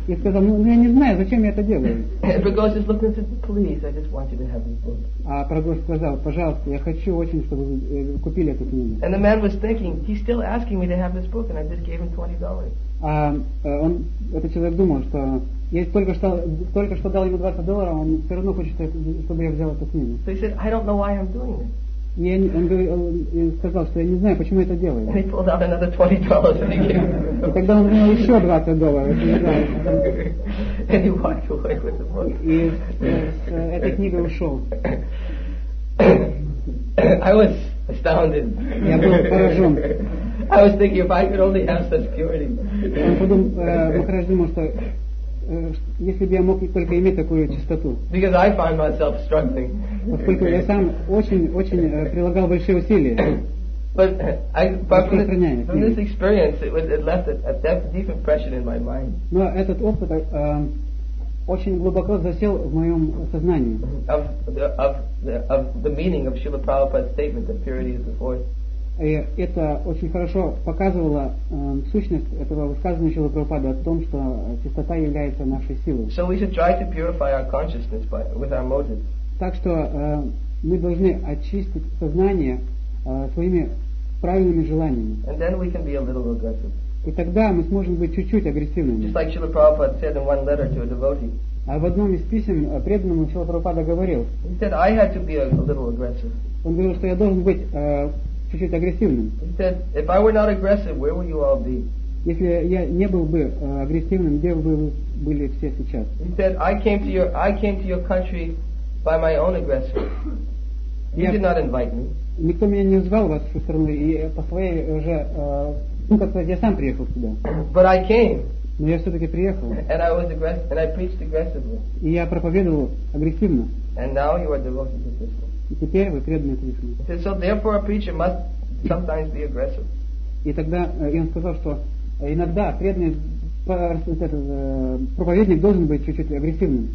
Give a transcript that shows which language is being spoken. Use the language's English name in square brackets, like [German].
[Russian] Я сказал, ну я не знаю, зачем я это делаю. [English] Because he's looking at me, please, I just want you to have this book. [Russian] А прогост сказал, пожалуйста, я хочу очень, чтобы вы купили эту книгу. [English] And the man was thinking, he's still asking me to have this book, and I just gave him $20. [Russian] А он, этот человек думал, что я только что дал ему $20, он все равно хочет, чтобы я взял эту книгу. [English] So he said, I don't know why I'm doing this. [Russian] И он сказал, что я не знаю, почему я это делаю. [English] And he pulled out another $20 and he gave [Russian] him. И тогда он взял еще $20. [English] And he walked away with the book. [Russian] И с этой книгой ушел. [English] I was astounded. [Russian] Я был поражен. [English] I was thinking if I could only have such security. [Russian] Он подумал, что если бы я мог только иметь такую чистоту. [English] Because I find myself struggling. [Russian] Поскольку я сам очень прилагал большие усилия. [English] But from this experience, it left a deep impression in my mind. [Russian] Но этот опыт очень глубоко засел в моем сознании. [English] Of the meaning of Srila Prabhupada's statement that purity is the force. [Russian] И это очень хорошо показывало сущность этого высказывания Шрилы Прабхупады о том, что чистота является нашей силой. [English] So we should try to purify our consciousness with our motives. [Russian] Так что мы должны очистить сознание своими правильными желаниями. [English] And then we can be a little aggressive. [Russian] И тогда мы сможем быть чуть-чуть агрессивными. [English] Just like Srila Prabhupada said in one letter to a devotee. [Russian] А в одном из писем преданному Шрила Прабхупада говорил. [English] He said I had to be a little aggressive. [Russian] Он говорил, что я должен быть чуть-чуть агрессивным. [English] He said, if I were not aggressive, where would you all be? [Russian] Если я не был бы агрессивным, где бы вы были все сейчас? [English] He said, I came to your country by my own aggression. You did not invite me. [Russian] Никто меня не звал вас в свою страну, и по своей уже, как сказать, я сам приехал сюда. [English] But I came. [Russian] Но я все-таки приехал. [English] And I was aggressive, and I preached aggressively. [Russian] И я проповедовал агрессивно. [English] And now you are devoted to this. [Russian] И теперь вы преданы Кришне. [English] So therefore a preacher must sometimes be aggressive. [Russian] И тогда он сказал, что иногда преданный проповедник должен быть чуть-чуть агрессивным.